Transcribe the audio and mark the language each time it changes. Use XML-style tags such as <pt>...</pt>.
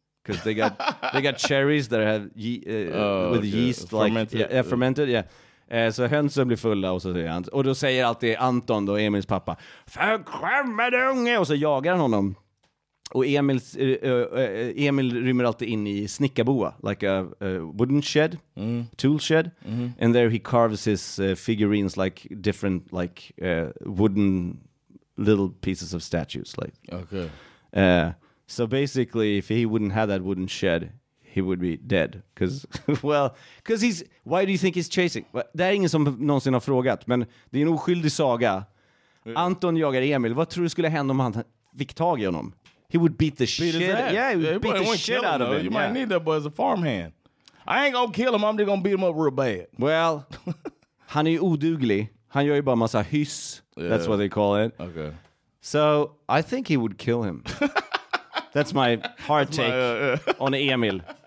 <en>Because they got cherries that have with yeast, fermented. Yeah, fermented. Yeah,</en> <sv>Så hönsen blir fulla och så säger han. Och då säger alltid Anton, då Emils pappa, förskämmer du unge? Och så jagar han honom. Och Emil rymmer alltid in i snickarboa,</sv> <en>like a wooden shed, tool shed.</en> <sv>Mm.</sv> <en>And there he carves his figurines, like different, like wooden little pieces of statues. Like. Okay. So basically, if he wouldn't have that wooden shed, he would be dead. Because he's, why do you think he's chasing?</en> <sv>Det är ingen som någonsin har frågat, men det är en oskyldig saga. Anton jagar Emil. Vad tror du skulle hända om han fick tag i honom?</sv> <en>He would beat the beat shit. Yeah, he would beat the shit out of him. You might need that boy as a farmhand. I ain't gonna kill him. I'm just gonna beat him up real bad.</en> <sv>Well, han är ju oduglig. Han gör ju bara massa hyss. Yeah.</sv> <en>That's what they call it. Okay. So I think he would kill him. That's my hard take on Emil.</en>